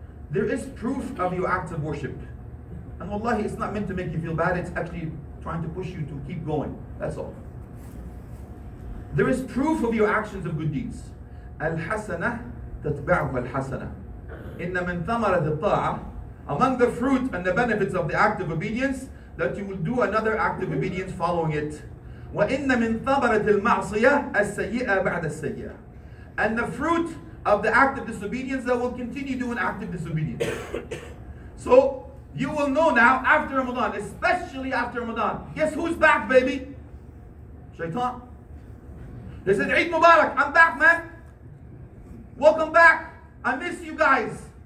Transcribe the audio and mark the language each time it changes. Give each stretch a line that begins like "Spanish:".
English: There is proof of your act of worship. And wallahi, it's not meant to make you feel bad. It's actually trying to push you to keep going. That's all. There is proof of your actions of good deeds.
Arabic: الحسنة تتبعها الحسنة. إن من ثمرة الطاعة.
English: Among the fruit and the benefits of the act of obedience, that you will do another act of obedience following it.
Arabic: وإن من ثمرة المعصية السيئة بعد السيئة.
English: And the fruit of the act of disobedience, that will continue doing act of disobedience. So you will know now after Ramadan, especially after Ramadan. Guess who's back, baby? Shaitan. They said, Eid Mubarak, I'm back, man. Welcome back. I miss you guys.